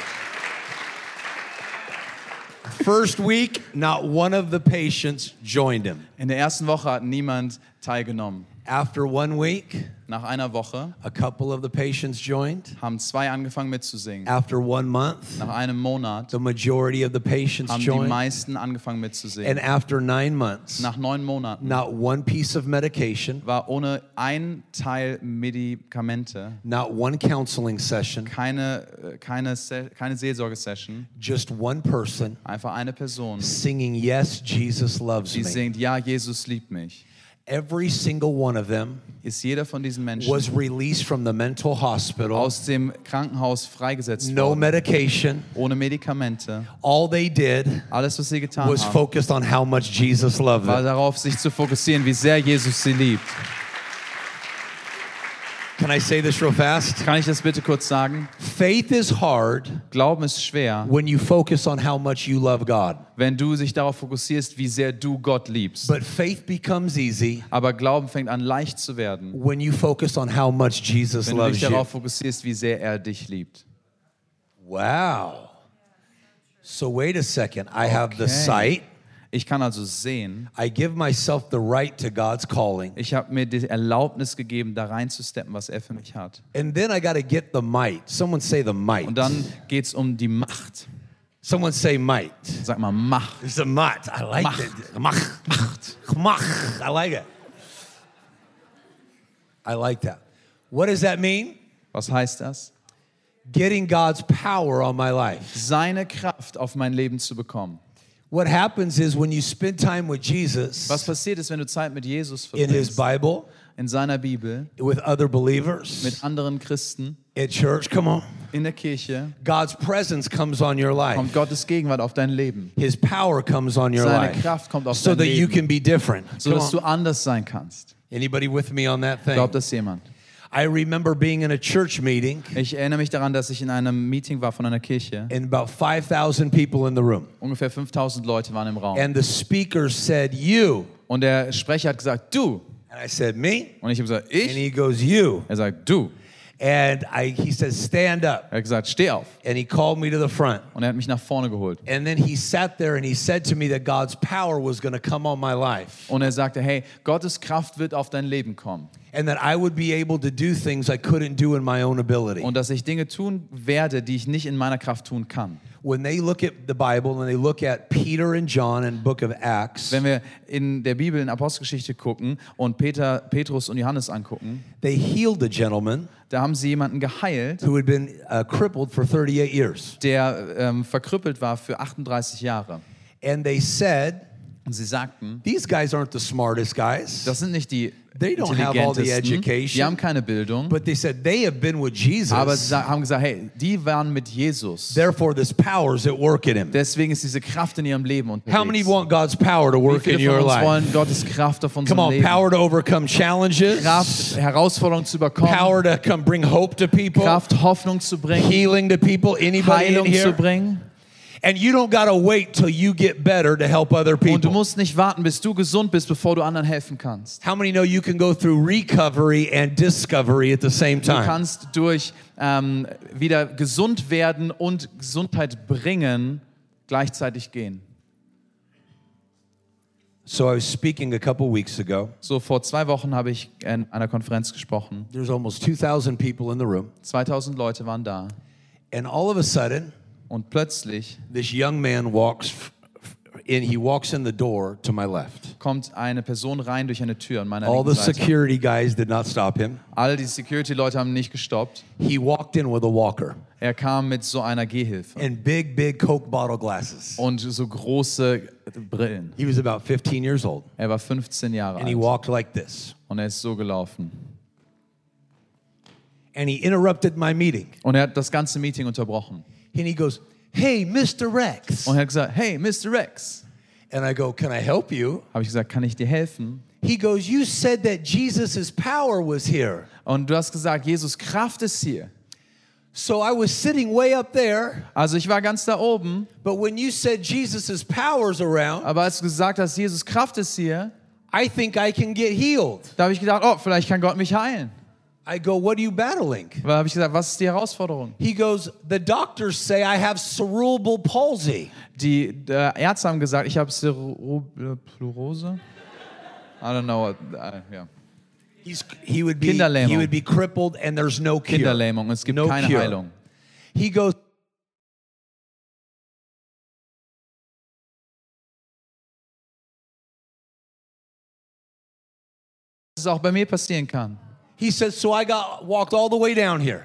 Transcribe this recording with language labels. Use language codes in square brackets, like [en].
[en] First week, not one of the patients joined him. [de] In der ersten Woche hat niemand teilgenommen. [en] After 1 week, [de] nach einer Woche, [en] a couple of the patients joined. [de] Haben zwei angefangen mitzusingen. [en] After 1 month, [de] nach einem Monat, [en] the majority of the patients [de] haben [en] joined. [de] Haben die meisten angefangen mitzusingen. [en] And after 9 months, [de] nach 9 Monaten, [en] not one piece of medication. [de] War ohne ein Teil Medikamente. [en] Not one counseling session. [de] Keine Seelsorgesession. [en] Just one person. [de] Einfach eine Person. [en] Singing, yes, Jesus loves [de] die [en] me. [de] Sie singt, ja, Jesus liebt mich. [en] Every single one of them [de] ist jeder von diesen Menschen [en] was released from the mental hospital. [de] Aus dem Krankenhaus freigesetzt [en] no [de] worden. [en] Medication. [de] Ohne Medikamente. [en] All they did [de] alles, was sie getan [en] was [de] haben, [en] focused on how much Jesus loved [de] war darauf, sich zu fokussieren, wie sehr Jesus sie liebt. [en] Can I say this real fast? [de] Kann ich das bitte kurz sagen? [en] Faith is hard. [de] Glauben ist schwer. [en] When you focus on how much you love God. [de] Wenn du dich darauf fokussierst, wie sehr du Gott liebst. [en] But faith becomes easy. [de] Aber Glauben fängt an leicht zu werden. [en] When you focus on how much Jesus loves you. [de] Wenn du dich darauf fokussierst, wie sehr er dich liebt. [en] Wow. So wait a second. I have the sight. [de] Ich kann also sehen. [en] I give myself the right to God's calling. [de] Ich habe mir die Erlaubnis gegeben, da reinzusteppen, was er für mich hat. [en] And then I gotta get the might. Someone say the might. [de] Und dann geht's um die Macht. [en] Someone say might. [de] Sag mal Macht. [en] It's the might. I like [de] Macht. [en] It. Macht. I like it. I like that. What does that mean? [de] Was heißt das? [en] Getting God's power on my life. [de] Seine Kraft auf mein Leben zu bekommen. [en] What happens is when you spend time with Jesus. [de] Was passiert ist, wenn du Zeit mit Jesus verbringst? [en] In his Bible, [de] in seiner Bibel, [en] with other believers, [de] mit anderen Christen, [en] at church, come on, [de] in der Kirche, [en] God's presence comes on your life. [de] Kommt Gottes Gegenwart auf dein Leben. [en] His power comes on your [de] seine [en] life. [de] Seine Kraft kommt auf [en] so [de] dein Leben. [en] So that you can be different. [de] So dass du anders sein kannst. [en] Anybody with me on that thing? [de] Glaubt das jemand? [en] I remember being in a church meeting. [de] Ich erinnere mich daran, dass ich in einem Meeting war von einer Kirche. [en] And about 5,000 people in the room. [de] Ungefähr 5,000 Leute waren im Raum. [en] And the speaker said, "You." [de] Und der Sprecher hat gesagt, du. [en] And I said, "Me." [de] Und ich habe gesagt, ich. [en] And he goes, "You." [de] Er sagt, du. [en] And he says, "Stand up." [de] Er hat gesagt, steh auf. [en] And he called me to the front. [de] Und er hat mich nach vorne geholt. [en] And then he sat there and he said to me that God's power was going to come on my life. [de] Und er sagte, hey, Gottes Kraft wird auf dein Leben kommen. [en] And that I would be able to do things I couldn't do in my own ability. [de] Und dass ich Dinge tun werde, die ich nicht in meiner Kraft tun kann. [en] When they look at the Bible and they look at Peter and John in the book of Acts. [de] Wenn wir in der Bibel in Apostelgeschichte gucken und Petrus und Johannes angucken. [en] They healed the gentleman. [de] Da haben sie jemanden geheilt. [en] Who had been crippled for 38 years. [de] Der verkrüppelt war für 38 Jahre. [en] And they said. [de] Und sie sagten, [en] these guys aren't the smartest guys. [de] Das sind nicht die [en] they don't have all the education. [de] Die haben keine Bildung. [en] But they said they have been with Jesus. [de] Aber sie haben gesagt, hey, die waren mit Jesus. [en] Therefore, this power is at work in him. [de] Deswegen ist diese Kraft in ihrem Leben unterwegs. [en] How many want God's power to work in your life? [de] Wie viele von uns wollen Gottes Kraft auf unserem Leben? [en] Come on, power to overcome challenges. [de] Kraft, Herausforderungen zu überkommen. [en] Power to come bring hope to people. [de] Kraft, Hoffnung zu bringen. [en] Healing to people. Anybody [de] Heilung [en] in here? [de] Zu bringen. [en] And you don't gotta wait till you get better to help other people. [de] Und du musst nicht warten, bis du gesund bist, bevor du anderen helfen kannst. [en] How many know you can go through recovery and discovery at the same time? [de] Du kannst durch wieder gesund werden und Gesundheit bringen gleichzeitig gehen. [en] So I was speaking a couple weeks ago. [de] So vor 2 Wochen habe ich in einer Konferenz gesprochen. [en] There's almost 2,000 people in the room. [de] 2,000 Leute waren da. [en] And all of a sudden. [de] Und plötzlich [en] this young man walks in, he walks in the door to my left. [de] Kommt eine Person rein durch eine Tür an meiner [en] all [de] linken [en] the security [de] Seite. [en] Guys did not stop him. [de] All die Security Leute haben nicht gestoppt. [en] He walked in with a walker. [de] Er kam mit so einer Gehhilfe. [en] And big Coke bottle glasses. [de] Und so große Brillen. [en] He was about 15 years old. [de] Er war 15 Jahre [en] and [de] alt. [en] And he walked like this. [de] Und er ist so gelaufen. [en] And he interrupted my meeting. [de] Und er hat das ganze Meeting unterbrochen. [en] And he goes, "Hey, Mr. Rex." [de] Und er hat gesagt, "Hey, Mr. Rex." [en] And I go, "Can I help you?" [de] Habe ich gesagt, "Kann ich dir helfen?" [en] He goes, "You said that Jesus's power was here." [de] Und du hast gesagt, Jesus Kraft ist hier. [en] So I was sitting way up there. [de] Also ich war ganz da oben. [en] But when you said Jesus's power's around, [de] aber als du gesagt hast, Jesus Kraft ist hier, [en] I think I can get healed. [de] Da habe ich gedacht, oh, vielleicht kann Gott mich heilen. [en] I go, what are you battling? [de] Dann habe ich gesagt, was ist die Herausforderung? [en] He goes, the doctors say I have cerebral palsy. [de] Die Ärzte haben gesagt, ich habe Cerebellose. [en] I don't know what, yeah. He would be crippled and there's no cure. [de] Kinderlähmung, es gibt keine Heilung. [en] He goes, [de] auch bei mir passieren kann. [en] He says, so I got walked all the way down here.